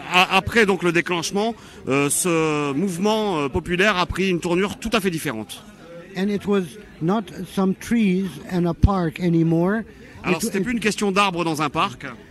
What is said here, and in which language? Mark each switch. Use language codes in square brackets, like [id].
[fr] Après donc le déclenchement, ce mouvement populaire a pris une tournure tout à fait différente. [en] And it was not some trees and a park anymore. [fr] Alors c'était plus une question d'arbres dans un parc.